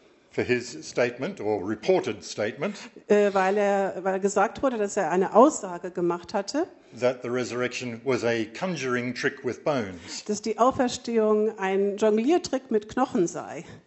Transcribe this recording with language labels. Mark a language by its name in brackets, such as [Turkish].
[English] For his statement or reported statement, [German] weil gesagt wurde, dass er eine Aussage gemacht hatte, [English] that the resurrection was a conjuring trick with bones, [German] dass die Auferstehung ein Jongliertrick mit Knochen sei.